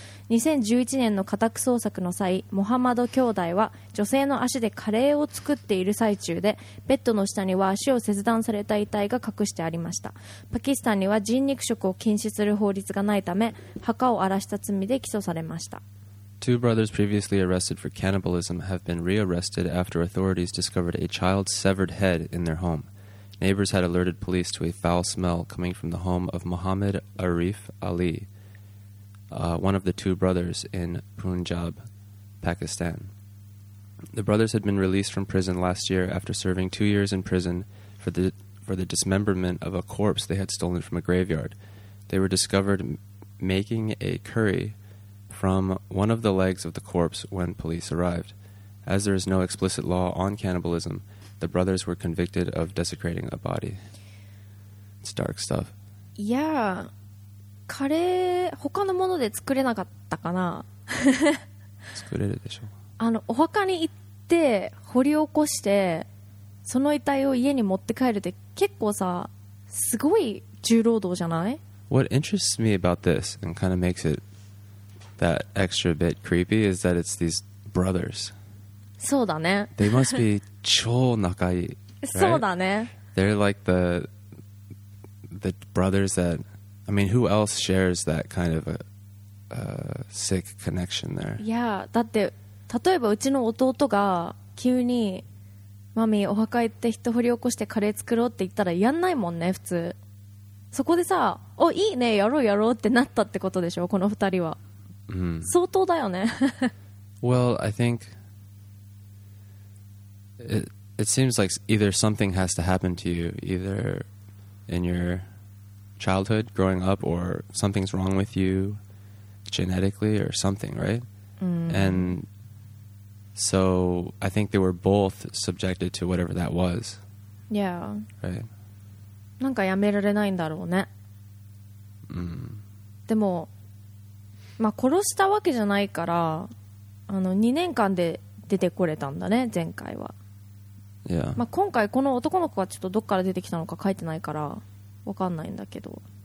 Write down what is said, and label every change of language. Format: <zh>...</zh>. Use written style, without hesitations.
<ja>2011年の家宅捜索の際、モハマド兄弟は女性の足でカレーを作っている最中で、ベッドの下には足を切断された遺体が隠してありました。パキスタンには人肉食を禁止する法律がないため、墓を荒らした罪で起訴されました。</ja> <en>Two brothers previously arrested for cannibalism have been rearrested after authorities discovered a child's severed head in their home. Neighbors had alerted police to a foul smell coming from the home of Mohammed Arif Alione of the two brothers in Punjab, Pakistan. The brothers had been released from prison last year after serving 2 years in prison for the dismemberment of a corpse they had stolen from a graveyard. They were discovered making a curry from one of the legs of the corpse when police arrived. As there is no explicit law on cannibalism, the brothers were convicted of desecrating a body. It's dark stuff. Yeah.</en> <ja>カレー他のもので作れなかったかな。作れるでしょ。あのお墓に行って掘り起こしてその遺体を家に持って帰るって結構さ、すごい重労働じゃない？</ja> <en>What interests me about this and kind of makes it that extra bit creepy is that it's these brothers.</en> <ja>そうだね。</ja> <en>They must be</en> <ja>超仲いい、</ja> <en>right?</en> <ja>そうだね。</ja> <en>They're like the brothers that、I mean, who else shares that kind of a sick connection there?</en> <ja>Yeah, だって例えばうちの弟が急にマミーお墓行って人掘り起こしてカレー作ろうって言ったらやんないもんね、普通。そこでさ、お、いいね、やろうやろうってなったってことでしょ、この二人は。 Mm. 相当だよね。</ja> <en>Well, I think it seems like either something has to happen to you, either in yourchildhood growing up or something's wrong with you genetically or something, right? And so I think they were both subjected to whatever that was. Yeah. Right.</en> <ja>なんかやめられないんだろうね。でも、まあ殺したわけじゃないから、あの2年間で出てこれたんだね、前回は。</ja> <en>Yeah.</en> <ja>まあ今回この男の子はちょっとどっから出てきたのか書いてないからわかんないんだけど。</ja>